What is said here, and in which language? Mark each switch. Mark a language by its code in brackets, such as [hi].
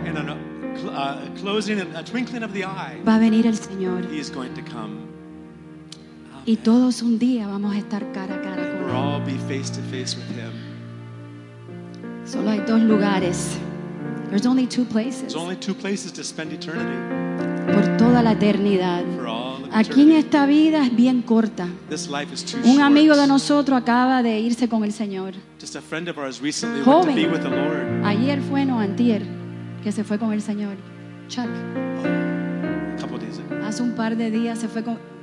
[en] In a closing and a twinkling of the eye. [es] Va a venir el Señor. [en] He is going to come. [es] Y todos un día vamos a estar cara a cara con Él. [en] We'll all be face to face with Him. [es] Solo hay dos lugares. [en] There's only two places. There's only two places to spend eternity. [es] Por toda la eternidad. [en] For all of eternity. [es] Aquí en esta vida es bien corta. [en] This life is too short. [es] Un amigo de nosotros acaba de irse con el Señor. [en] Just a friend of ours recently went to be with the Lord. [es] Ayer fue, no, antier, que se fue con el Señor. Chuck. [en] A couple days ago. [es] Hace un par de días se fue con.